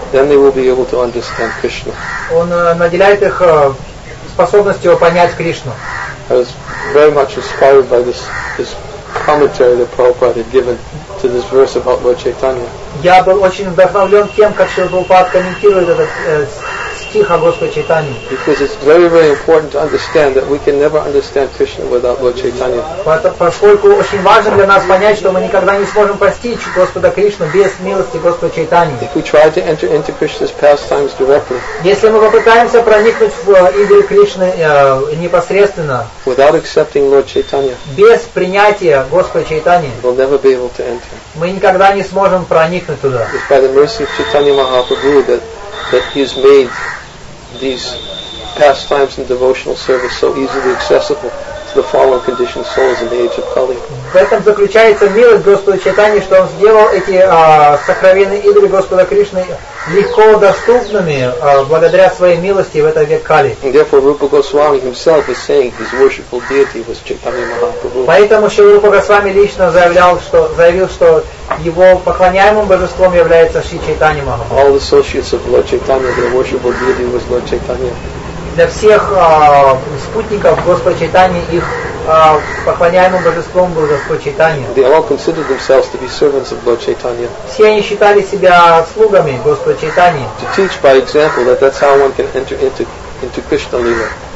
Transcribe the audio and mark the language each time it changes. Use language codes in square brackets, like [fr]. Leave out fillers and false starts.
[en] Then they will be able to understand Krishna. [ru] Он наделяет их способностью понять Кришну. [en] I was very much inspired by this commentary that Prabhupada had given to this verse about Lord Chaitanya. [ru] Я был очень вдохновлен тем, как Шрила Прабхупада комментирует этот стих о Господе Чайтанье. [en] Because it's very, very important to understand that we can never understand Krishna without Lord Chaitanya. [ru] Поскольку очень важно для нас понять, что мы никогда не сможем постичь Господа Кришну без милости Господа Чайтанья. [en] If we try to enter into Krishna's pastimes directly, [ru] если мы попытаемся проникнуть в игры Кришны непосредственно, [en] without accepting Lord Chaitanya, [ru] без принятия Господа Чайтанья, [en] we'll never be able to enter. [ru] Мы никогда не сможем проникнуть туда. [en] It's by the mercy of Chaitanya Mahaprabhu that he's made these pastimes and devotional service so easily accessible to the fallen conditioned souls in the age of Kali. [ru] В этом заключается милость Господа Чайтаньи, что он сделал эти сокровенные игры Господа Кришны легко доступными благодаря своей милости в этот век Кали. [en] And therefore, Rupa Goswami himself is saying his worshipful deity was Chaitanya Mahaprabhu. [ru] Поэтому Шрила Рупа Госвами лично заявил, что его поклоняемым божеством является Шри Чайтанья Махапрабху. [en] All associates of Lord Chaitanya, their worshipful deity was Lord Chaitanya. [ru] Для всех спутников Господа Чайтаньи их поклоняемым божеством был Господь Чайтанья. [en] They all considered themselves to be servants of Lord Chaitanya. [ru] Все они считали себя слугами Господа Чайтаньи. [en] To teach by example that's how one can enter into Krishna Lila.